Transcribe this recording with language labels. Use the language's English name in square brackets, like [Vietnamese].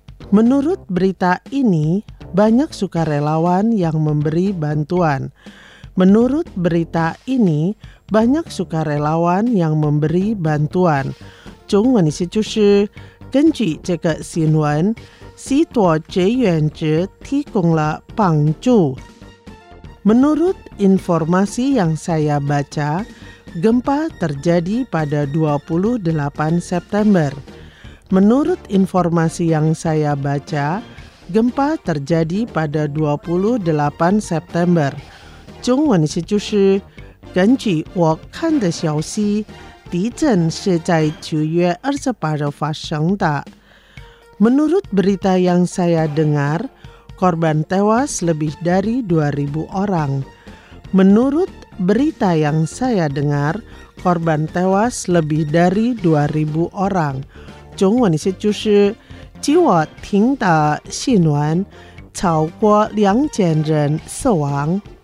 [Indonesian] Menurut berita ini, banyak sukarelawan yang memberi bantuan. Menurut berita ini, banyak sukarelawan yang memberi bantuan. [Chinese] 中文意思就是根据这个新闻，许多志愿者提供了帮助。 [Indonesian] Menurut informasi yang saya baca, gempa terjadi pada 28 September. Menurut informasi yang saya baca, gempa terjadi pada 28 September. [Chinese] 中文意思就是根据我看的消息，地震是在7月28日发生的。 [Indonesian] Menurut berita yang saya dengar, korban tewas lebih dari 2.000 orang. Menurut berita yang saya dengar, korban tewas lebih dari 2.000 orang. [Chinese] 中文是就是，据我听的新闻，超过2000人死亡。